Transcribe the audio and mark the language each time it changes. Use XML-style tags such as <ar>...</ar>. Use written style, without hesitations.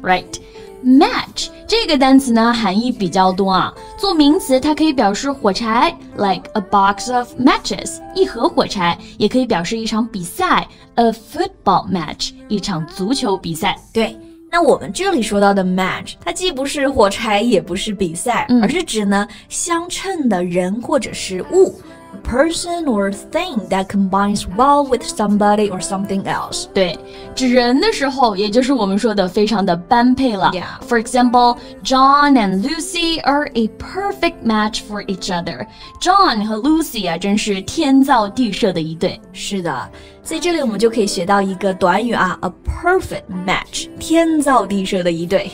<zh>right? Match 这个单词呢含义比较多啊，做名词它可以表示火柴</zh> <en>like a box of matches</en> <zh>一盒火柴，也可以表示一场比赛</zh> <en>a football match</en> <zh>一场足球比赛。对，那我们这里说到的 match 它既不是火柴也不是比赛，而是指呢相称的人或者是物。</zh> <en>A person or thing that combines well with somebody or something else.</en> <zh>对，指人的时候也就是我们说的非常的般配了。</zh> <en>Yeah. For example, John and Lucy are a perfect match for each other.</en> <zh>John 和 Lucy 啊，真是天造地设的一对。是的，所以这里我们就可以学到一个短语啊，</zh> <en>a perfect match,</en> <zh>天造地设的一对。</zh>